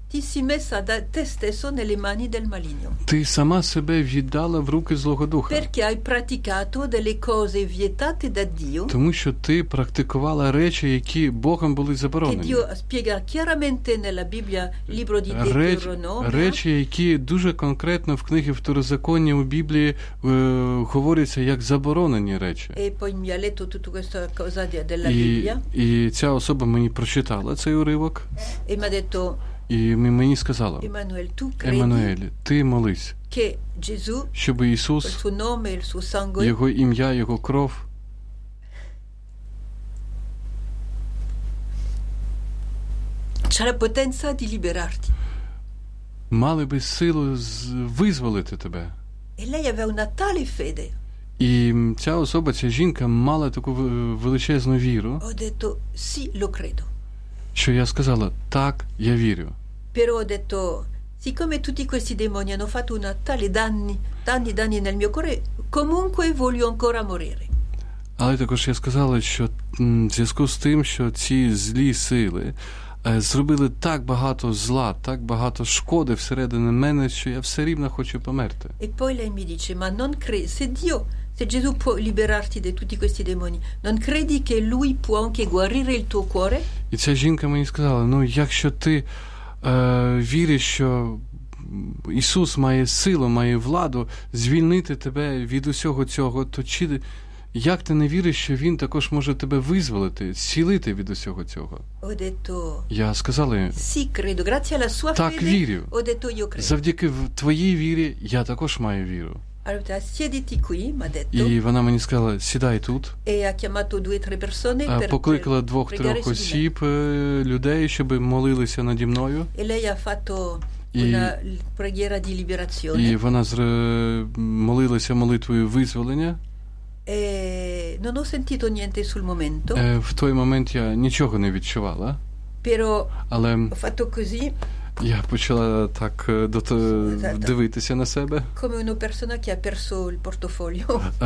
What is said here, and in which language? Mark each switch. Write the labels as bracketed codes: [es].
[it] Ti sei messa da te stesso nelle mani del maligno. [uk] Ти сама себе віддала в руки злого духа. [it] Perché hai praticato delle cose vietate da Dio? [uk] Тому що ти практикувала речі, які Богом були заборонені. [it] Che Dio spiega chiaramente nella Bibbia, libro di Deuteronomio. [uk] Речі, які дуже конкретно в книгі Второзаконня у Біблії говориться як заборонені речі. [it] E poi mi ha letto tutta questa cosa della Bibbia. [uk] І ця особа мені прочитала цей уривок. [it] E mi ha detto [uk] і мені сказала, Еммануель, ти молись, [it] che Gesù, [uk] щоб Ісус, [it] il suo nome, il suo sangue, [uk] Його ім'я, Його кров, [it] c'è la potenza di liberarti. [uk] Мали би силу визволити тебе. [it] E lei aveva una tale fede. [uk] І ця особа, ця жінка мала таку величезну віру. [it] Ho detto, sì, lo credo. [uk] Що я сказала, так, я вірю. [it] Però ho detto, siccome tutti questi demoni hanno fatto una tale danni nel mio cuore, comunque voglio ancora morire. [uk] Але також я сказала, що в зв'язку з тим, що ці злі сили зробили так багато зла, так багато шкоди всередині мене, що я все рівно хочу померти. [it] E poi lei mi dice, ma non credi, se Dio, se Gesù può liberarti di tutti questi demoni, non credi che Lui può anche guarire il tuo cuore? [uk] І ця жінка мені сказала, ну якщо ти віриш, що Ісус має силу, має владу звільнити тебе від усього цього, то чи як ти не віриш, що Він також може тебе визволити, зцілити від усього цього? [it] Ho detto, [uk] я сказала їй, [it] sì, credo. Grazie alla sua fede, [uk] так вірю. [it] Ho detto, io credo. [uk] Завдяки твоїй вірі я також маю віру. [it] Allora, siediti qui, m'ha detto. [uk] І вона мені сказала, сідай тут. [it] E ha chiamato due, tre persone per [uk] покликала двох-трьох осіб, людей, щоб молилися наді мною. [it] E lei ha fatto una preghiera di liberazione. [uk] І вона молилася молитвою визволення. [it] E non ho sentito niente sul momento. [uk] В той момент я нічого не відчувала. [it] Però [uk] Але [it] ho fatto così. [uk] Я почала так дивитися на себе. [it] Come una persona che ha perso il portafoglio.